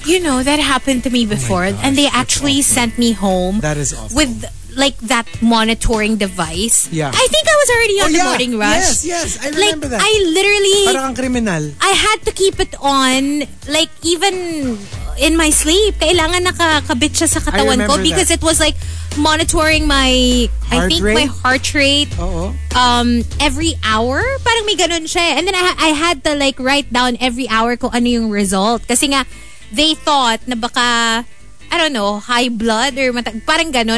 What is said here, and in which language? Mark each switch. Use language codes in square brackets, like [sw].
[en] You know, that happened to me before. Oh my gosh, and they actually sent me home. That is awful. With... like that monitoring device. Yeah. I think I was already on the morning rush. Yes, yes. I remember like, I literally... [tl] Parang ang criminal. [en] I had to keep it on, like, even in my sleep. [tl] Kailangan nakakabit siya sa katawan ko [en] because that. It was like monitoring my... Heart I think rate? My heart rate. Every hour. [tl] Parang may ganun siya. [en] And then I had to like write down every hour [tl] kung ano yung [en] result. [tl] Kasi nga, [en] they thought [tl] na baka... [en] I don't know, high blood or matag, [tl] parang ganun.